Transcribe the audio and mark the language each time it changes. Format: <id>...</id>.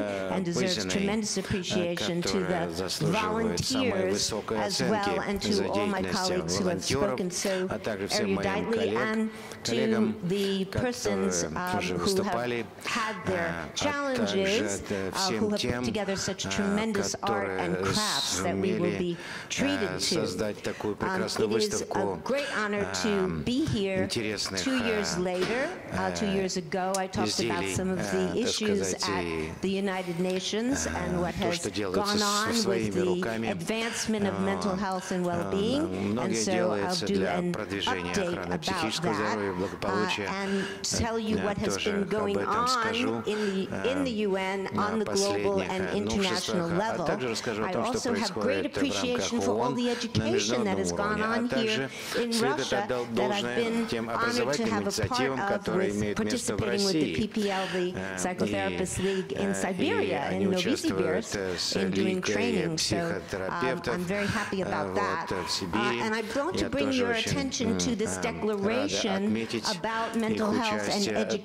<ru>Пызиной, которая заслуживает самой высокой оценки за деятельность волонтеров, а также всем моим коллегам, которые уже выступали, а также всем тем, которые сумели создать такую прекрасную выставку.</ru> <en>Great honor to be here. Two years ago, I talked about some of the issues at the United Nations and what has gone on with the advancement of mental health and well-being. And so I'll do an update about that and tell you what has been going on in the UN on the global and international level. I also have great appreciation for all the education that has gone on here.</en> <ru>Следует отдать должное тем образовательным инициативам, которые имеют место в России и они участвуют с Лигой психотерапевтов в Сибири. Я тоже очень рад отметить их участие.</ru>